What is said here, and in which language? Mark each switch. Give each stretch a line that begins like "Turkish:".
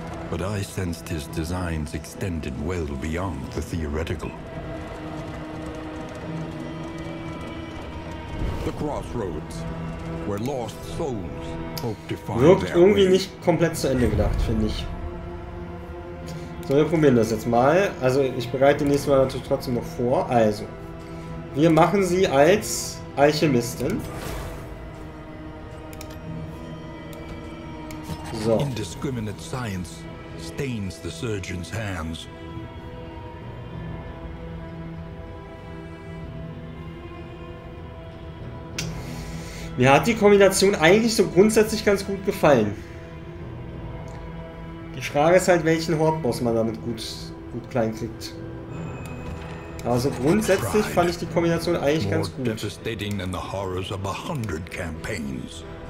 English: But I sensed his designs extended well beyond the theoretical. The crossroads, where lost souls hope to find their way.
German: Wirkt irgendwie nicht komplett zu Ende gedacht, finde ich. So, wir probieren das jetzt mal. Also, ich bereite die nächste Mal natürlich trotzdem noch vor. Also, wir machen sie als Alchemistin. So.
English: Indiscriminate science. Stains the surgeon's hands.
German: Mir hat die Kombination eigentlich so grundsätzlich ganz gut gefallen. Die Frage ist halt, welchen Horde-Boss man damit gut klein kriegt. Aber so grundsätzlich fand ich die Kombination eigentlich ganz gut.
English: More devastating than the horrors of 100 campaigns.